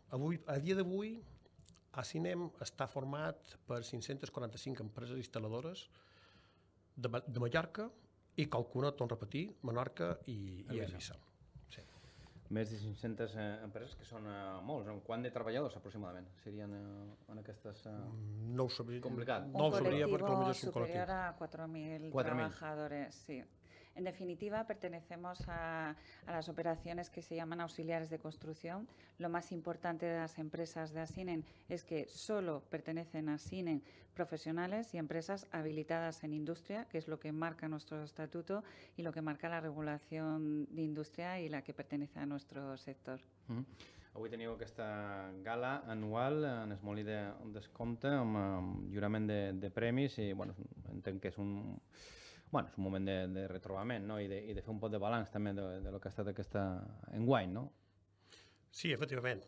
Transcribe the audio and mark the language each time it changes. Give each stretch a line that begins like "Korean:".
Catalan: Avui, a dia d'avui, Acinem està format per 545 empreses instal·ladores de Mallorca i qualcuna, torno a repetir, Menorca i Eivissa. Sí. Més de 500 empreses, que són molts. En quant de treballadors, aproximadament, serien en aquestes... No ho sabria. Complicat. No ho sabria, perquè potser és un col·lectiu. Un col·lectiu superior a 4.000 treballadors, sí.
Spanish: En definitiva, pertenecemos a las operaciones que se llaman auxiliares de construcción. Lo más importante de las empresas de Acinem es que solo pertenecen a Acinem profesionales y empresas habilitadas en industria, que es lo que marca nuestro estatuto y lo que marca la regulación de industria y la que pertenece a nuestro sector.
Catalan: Avui teniu aquesta gala anual en el Molí de Descompte amb lliurament de premis i, bueno, entenc que és un... Bueno, és un moment de retrobament, no? I de fer un poc de balanç també de lo que ha estat aquesta enguany, no? Sí, efectivament.